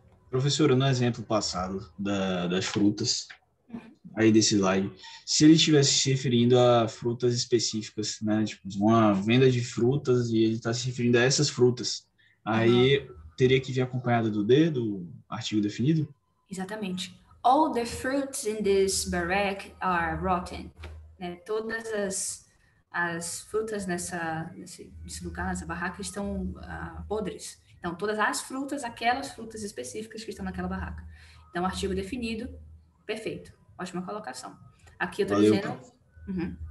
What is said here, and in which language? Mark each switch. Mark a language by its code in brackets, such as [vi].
[pt] Professora, no exemplo passado das frutas, aí desse slide, se ele estivesse se referindo a frutas específicas, né, tipo uma venda de frutas e ele está se referindo a essas frutas, aí teria que vir acompanhado do D, do artigo definido? Exatamente. [en] All the fruits in this barrack are rotten. [pt] Né? Todas as frutas nesse lugar, nessa barraca, estão podres. Então, todas as frutas, aquelas frutas específicas que estão naquela barraca. Então, artigo definido, perfeito. Ótima colocação. Aqui eu estou Valeu, dizendo, Pro.